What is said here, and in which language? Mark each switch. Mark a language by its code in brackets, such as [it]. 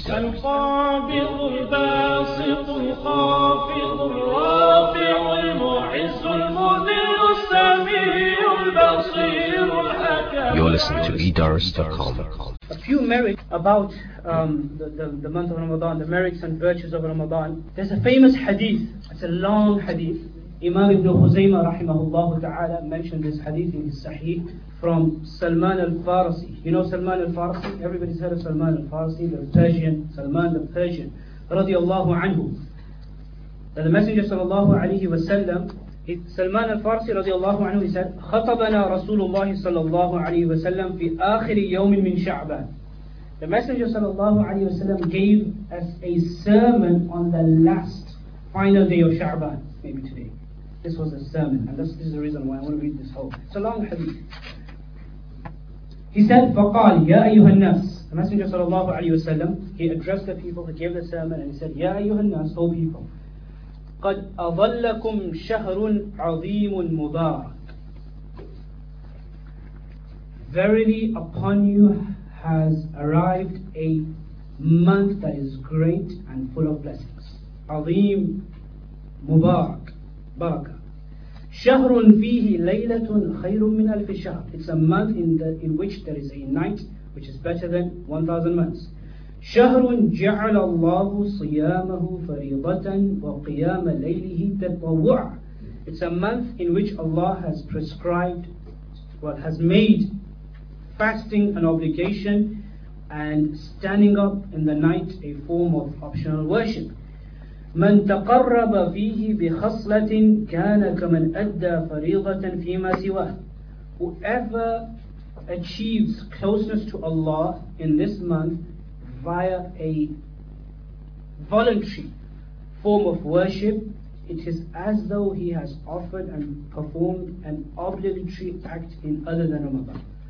[ar] القابض الباسط الخافض الرافع المعز المذل السميع البصير الحكيم. [en] You're listening to Eidars.com. A few merits about the month of Ramadan, the merits and virtues of Ramadan. There's a famous hadith, it's a long hadith. Imam ibn Khuzaymah rahimahullah ta'ala mentioned this hadith in his Sahih from Salman al-Farsi. You know Salman al-Farsi? Everybody's heard of Salman al-Farsi, the Persian, Salman al-Persian, radiyallahu anhu. The Messenger sallallahu alayhi wa sallam, Salman al-Farsi radiyallahu anhu, he said, [ar] خطبنا رسول الله صلى الله عليه وسلم في آخر يوم من شعبان. [en] The Messenger sallallahu alayhi wa sallam gave us a sermon on the last final day of Sha'ban, maybe today. This was a sermon, and this is the reason why I want to read this whole. It's a long hadith. He said, [ar] فقال يا أيها الناس. [en] The Messenger sallallahu alayhi wa sallam, he addressed the people, he gave the sermon, and he said, [ar] يا أيها الناس, [en] O people, [ar] قد أظلكم شهر عظيم مبارك. [en] Verily upon you has arrived a month that is great and full of blessings. [ar] عظيم مبارك بركة. شهر فيه ليلة خير من ألف شهر. [en] It's a month in which there is a night which is better than 1,000 months. [ar] شهر جعل الله صيامه فريضة وقيام ليله تطوع. [en] It's a month in which Allah has prescribed, well, has made fasting an obligation and standing up in the night a form of optional worship. [ar] من تقرب فيه بخصلة كان كمن أدى فريضة فيما سواه. [en] Whoever achieves closeness to Allah in this month via a voluntary form of worship, it is as though he has offered and performed an obligatory act in other than Ramadan.